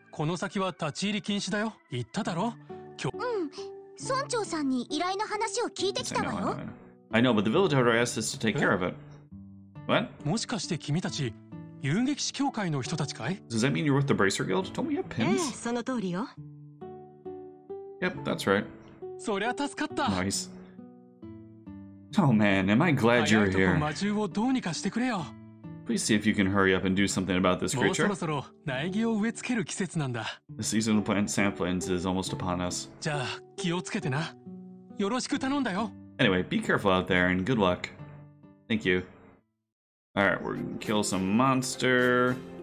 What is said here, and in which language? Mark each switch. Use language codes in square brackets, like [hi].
[ja] この先は立ち入り禁止だよ。言っただろ。今日。うん。村長さんに依頼の話を聞いてきたわよ。 [en] I know, but the village already asked us to take care of it. What? [ja] もしかして君たち遊撃士協会の人たちかい？ [en] Does that mean you're with the Bracer Guild? Don't we have pins? [ja] ええ、その通りよ。 [en] Yep, that's right. [ja] そりゃ助かった。 [en] Nice. Oh man, am I glad you're here. [ja] 早いとこ魔獣をどうにかしてくれよ。 [en] Please see if you can hurry up and do something about this creature. [ja] もうそろそろ苗木を植え付ける季節なんだ。 [en] The season to plant saplings is almost upon us. [ja] じゃあ気をつけてな。よろしく頼んだよ。 [en] Anyway, be careful out there and good luck. Thank you. Alright, we're gonna kill some monster.